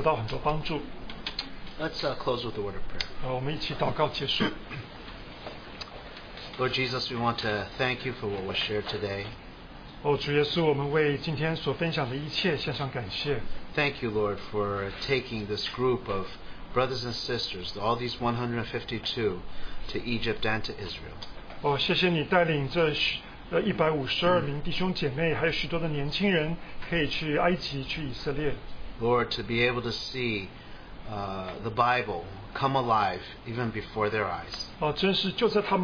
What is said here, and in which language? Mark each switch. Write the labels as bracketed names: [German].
[Chinese] 我们可以借着主摸着许多参加这个研习之旅的弟兄姐妹的心，我们真的得到很多帮助。 [English] Let's close with a word of prayer. [Chinese] 我们一起祷告结束。 [English] Lord Jesus, we want to thank you for what was shared today. [Chinese] 主耶稣，我们为今天所分享的一切献上感谢。 [English] Thank you, Lord, for taking this group of brothers and sisters, all these 152, to Egypt and to Israel. [Chinese] 谢谢你带领这152名弟兄姐妹，还有许多的年轻人可以去埃及，去以色列。 [English] Lord, to be able to see the Bible come alive even before their eyes.